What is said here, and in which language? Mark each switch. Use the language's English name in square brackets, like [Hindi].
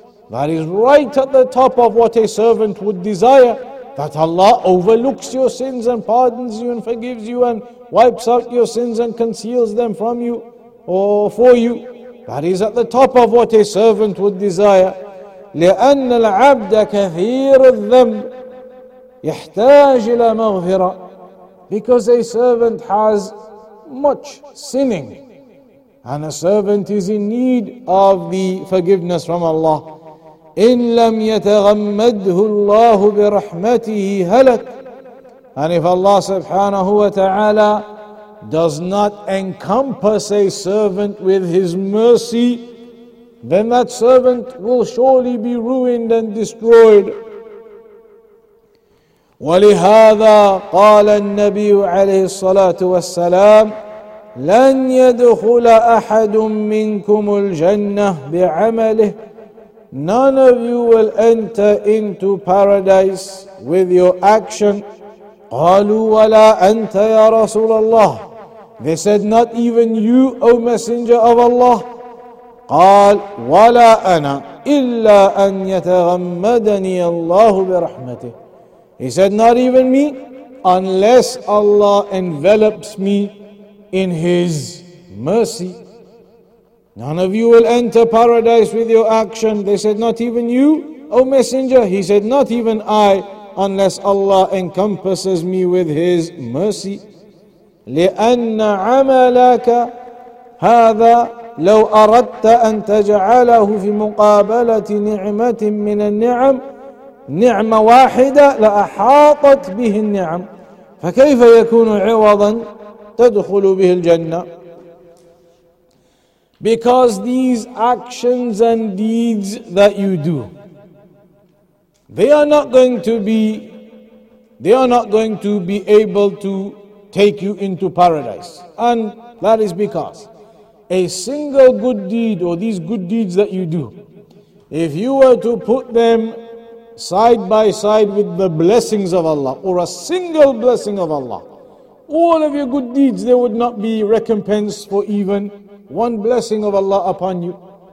[English] That is right at the top of what a servant would desire, that Allah overlooks your sins and pardons you and forgives you and wipes out your sins and conceals them from you or for you. That is at the top of what a servant would desire. [Arabic] لِأَنَّ الْعَبْدَ كَثِيرُ الذَّنْبِ يحتاج إلى مغفرة. [English] Because a servant has much sinning, and a servant is in need of the forgiveness from Allah. [Arabic] إن لم يتغمده الله برحمته هلك. [English] And if Allah subhanahu wa ta'ala does not encompass a servant with His mercy, then that servant will surely be ruined and destroyed. [Arabic] ولهذا قال النبي عليه الصلاة والسلام لن يدخل أحد منكم الجنة بعمله. [English] None of you will enter into paradise with your action. [Arabic] قالوا ولا أنت يا رسول الله. [English] They said, not even you, O Messenger of Allah. [Arabic] قال ولا أنا إلا أن يتغمدني الله برحمته. [English] He said, not even me, unless Allah envelops me in His mercy. None of you will enter paradise with your action. They said, not even you, O Messenger. He said, not even I, unless Allah encompasses me with His mercy. [Arabic] لِأَنَّ عَمَلَكَ هَذَا لَوْ أَرَدْتَ أَن تَجْعَلَهُ فِي مُقَابَلَةِ نِعْمَةٍ مِّنَ النِّعَمِ نعمة واحدة لأحاطت به النعم فكيف يكون عوضا تدخل به الجنة. [English] Because these actions and deeds that you do, they are not going to be able to take you into paradise. And that is because a single good deed, or these good deeds that you do, if you were to put them side by side with the blessings of Allah, or a single blessing of Allah, all of your good deeds, there would not be recompense for even one blessing of Allah upon you.